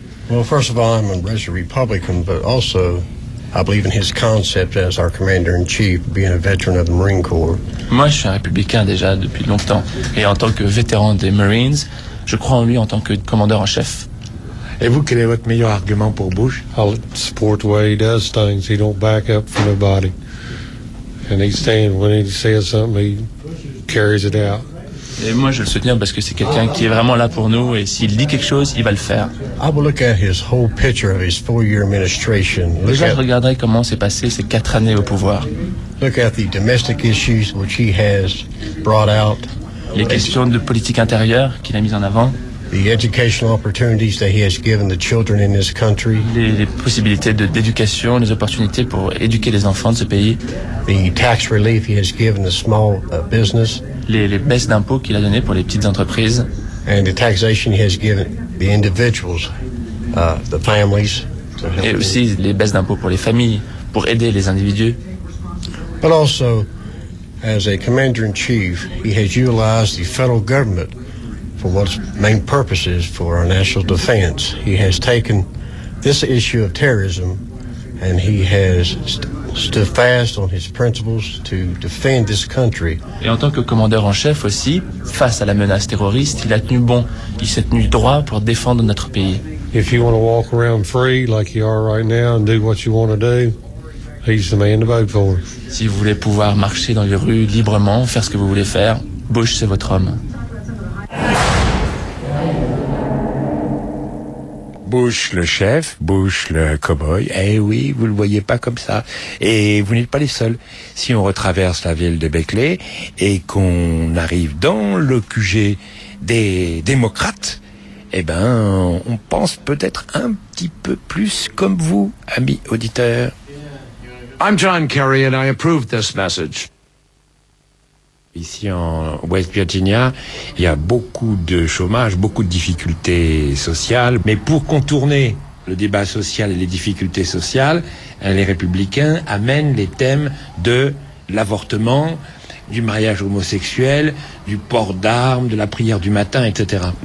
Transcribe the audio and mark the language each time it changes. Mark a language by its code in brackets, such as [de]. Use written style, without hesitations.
[en] Well, first of all, I'm a registered Republican, but also I believe in his concept as our commander-in-chief, being a veteran of the Marine Corps. [fr] Moi, je suis un républicain déjà depuis longtemps, et en tant que vétéran des Marines, je crois en lui en tant que commandeur en chef. Et vous, quel est votre meilleur argument pour Bush? [en] I'll support the way he does things. He don't back up for nobody. And he stands when he says something, he carries it out. [fr] Et moi, je le soutiens parce que c'est quelqu'un qui est vraiment là pour nous, et s'il dit quelque chose, il va le faire. [en] I will look at his whole picture of his four-year administration. [fr] Déjà, je regarderai comment s'est passé ces quatre années au pouvoir. [en] Look at the domestic issues which he has brought out. [fr] Les questions de politique intérieure qu'il a mises en avant. [en] The educational opportunities that he has given the children in this country. [fr] Les possibilités d'éducation, les opportunités pour éduquer les enfants de ce pays. [en] The tax relief he has given the small business. [fr] Les baisses d'impôts qu'il a données pour les petites entreprises. [en] And the taxation he has given the individuals, the families. [fr] Et aussi les baisses d'impôts pour les familles, pour aider les individus. [en] But also as a commander-in-chief, he has utilized the federal government for what its main purpose is for our national defense. He has taken this issue of terrorism, and he has stood fast on his principles to defend this country. [fr] Et en tant que commandeur en chef aussi, face à la menace terroriste, il a tenu bon, il s'est tenu droit pour défendre notre pays. [en] If you want to walk around free like you are right now and do what you want to do, he's the man to vote for. [fr] Si vous voulez pouvoir marcher dans les rues librement, faire ce que vous voulez faire, Bush c'est votre homme. Bush le chef, Bush le cowboy. Eh oui, vous le voyez pas comme ça. Et vous n'êtes pas les seuls. Si on retraverse la ville de Beckley et qu'on arrive dans le QG des démocrates, eh ben, on pense peut-être un petit peu plus comme vous, amis auditeurs. [en] I'm John Kerry and I approve this message. [fr] Ici en West Virginia, il y a beaucoup de chômage, beaucoup de difficultés sociales. Mais pour contourner le débat social et les difficultés sociales, les républicains amènent les thèmes de l'avortement, du mariage homosexuel, du port d'armes, de la prière du matin, etc.